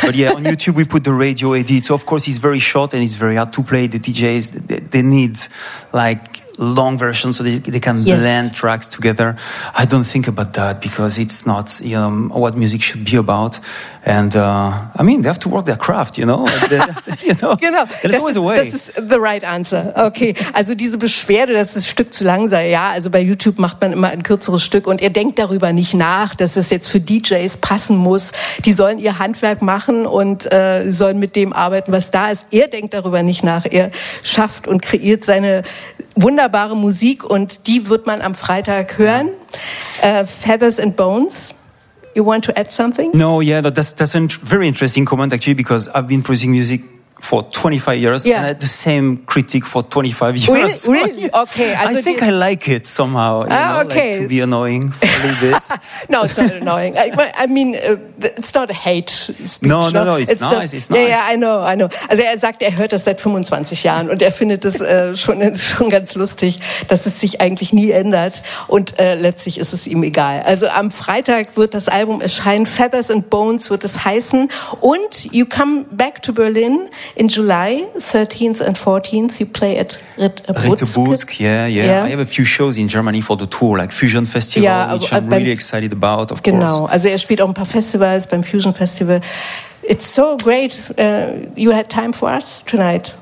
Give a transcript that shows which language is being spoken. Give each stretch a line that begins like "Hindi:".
English: But yeah, on YouTube we put the radio edit. So of course it's very short and it's very hard to play. The DJs, they need like long version so they can yes. blend tracks together. I don't think about that because it's not, you know, what music should be about. And I mean, they have to work their craft, you know?
German: Genau, das ist
English: the right answer.
German: Okay, also diese Beschwerde, dass das Stück zu lang sei, ja, also bei YouTube macht man immer ein kürzeres Stück und ihr denkt darüber nicht nach, dass es jetzt für DJs passen muss. Die sollen ihr Handwerk machen und sollen mit dem arbeiten, was da ist. Er denkt darüber nicht nach. Er schafft und kreiert seine wunderbare Musik, und die wird man am Freitag hören.
English: Feathers and Bones. You want to add something? No, yeah, that's a very interesting comment actually, because I've been producing music for 25 years, yeah. and I had the same critic for 25 years. Really? So, really? Yeah. Okay. Also I think I like it somehow, you know, okay. like to be annoying a little bit. No, it's not annoying. I mean, it's not a hate speech. No, it's nice, just, it's nice. Yeah, I know.
German: Also er sagt, er hört das seit 25 Jahren und er findet das schon ganz lustig, dass es sich eigentlich nie ändert, und letztlich ist es ihm egal. Also am Freitag wird das Album erscheinen, Feathers and Bones wird es heißen, und
English: You Come Back to Berlin in July 13th and 14th, you play at Ritterbutzk. Yeah. I have a few shows in Germany for the tour, like Fusion Festival, yeah, which I'm really excited about, of
German: genau.
English: course.
German: Also er spielt auch ein paar Festivals beim Fusion Festival.
English: It's so great you had time for us tonight.